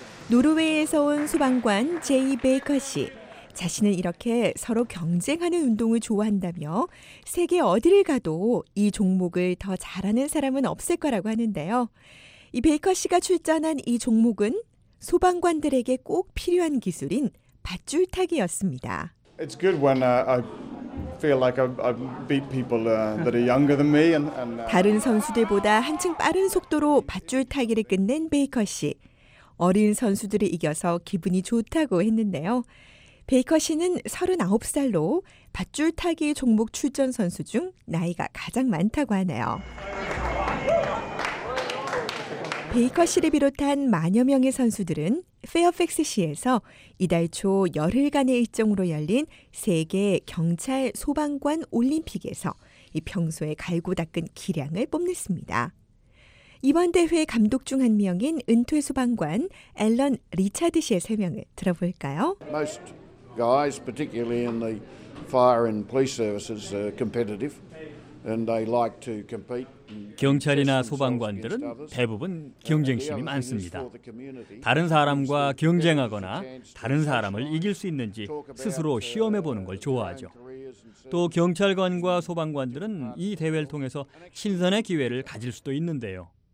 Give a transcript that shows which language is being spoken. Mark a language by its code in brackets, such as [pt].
[ko] 노르웨이에서 온 소방관 제이 베이커 씨. 자신은 이렇게 서로 경쟁하는 운동을 좋아한다며 세계 어디를 가도 이 종목을 더 잘하는 사람은 없을 거라고 하는데요. 이 베이커 씨가 출전한 이 종목은 소방관들에게 꼭 필요한 기술인 밧줄 타기였습니다. [en] It's good when I feel like I beat people that are younger than me and [ko] 다른 선수들보다 한층 빠른 속도로 밧줄 타기를 끝낸 베이커 씨. 어린 선수들을 이겨서 기분이 좋다고 했는데요. 베이커 씨는 39살로 밧줄 타기 종목 출전 선수 중 나이가 가장 많다고 하네요. 베이커 씨를 비롯한 만여 명의 선수들은 페어팩스 시에서 이달 초 열흘간의 일정으로 열린 세계 경찰 소방관 올림픽에서 이 평소에 갈고 닦은 기량을 뽐냈습니다. 이번 대회 감독 중 한 명인 은퇴 소방관 앨런 리차드 씨의 설명을 들어볼까요? [en] Most guys, particularly in the fire and police services, are competitive. And they like to compete. [ko] 경찰이나 소방관들은 대부분 경쟁심이 많습니다. 다른 사람과 경쟁하거나 다른 사람을 이길 수 있는지 스스로 시험해 보는 걸 좋아하죠. 또 경찰관과 소방관들은 이 대회를 통해서 신선의 기회를 가질 수도 있는데요.